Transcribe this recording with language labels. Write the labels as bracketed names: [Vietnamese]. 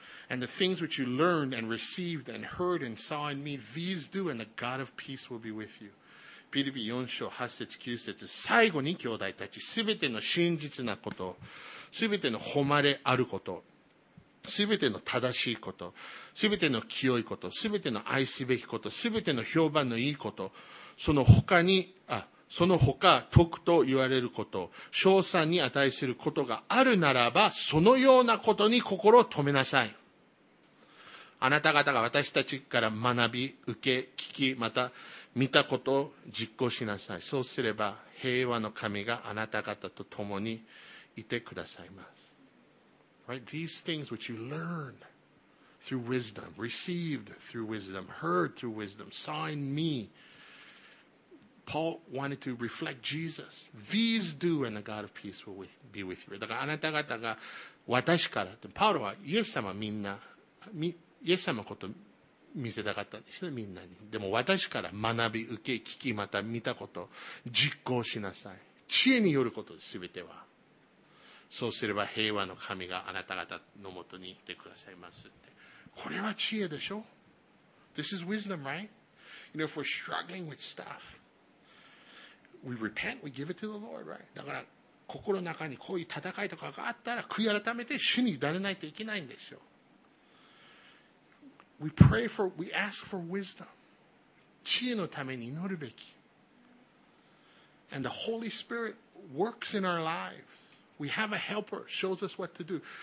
[English] And the things which you learned and received and heard and saw in me, these do, and the God of peace will be with you. [Japanese] ピリピ4章8節9節、最後に兄弟たち、すべての真実なこと、すべての誉れあること、すべての正しいこと、すべての清いこと、すべての愛すべきこと、すべての評判のいいこと、その他徳と言われること、称賛に値することがあるならば、そのようなことに心を留めなさい。あなた方が私たちから学び、受け、聞き、また、見たことを実行しなさい。そうすれば平和の神があなた方と共にいてくださいます。 [English] Right? These things which you learned through wisdom, received through wisdom, heard through wisdom, saw in me. Paul wanted to reflect Jesus. These do and the God of peace will be with you. [Japanese] だからあなた方が私から、パウロはイエス様みんな、イエス様こと見せたかったんでしょ、みんなに。でも私から学び、受け、聞き、また見たこと、実行しなさい。知恵によることです、すべては。そうすれば平和の神があなた方のもとにいてくださいますって。これは知恵でしょ [English] ?This is wisdom, right? You know, if we're struggling with stuff, we repent, we give it to the Lord, right? [Japanese] だから心の中にこういう戦いとかがあったら、悔い改めて主に委ねないといけないんでしょ。 [English] We pray for, we ask for wisdom. [Japanese] 知恵のために祈るべき。 [English] And the Holy Spirit works in our lives. We have a helper, shows us what to do.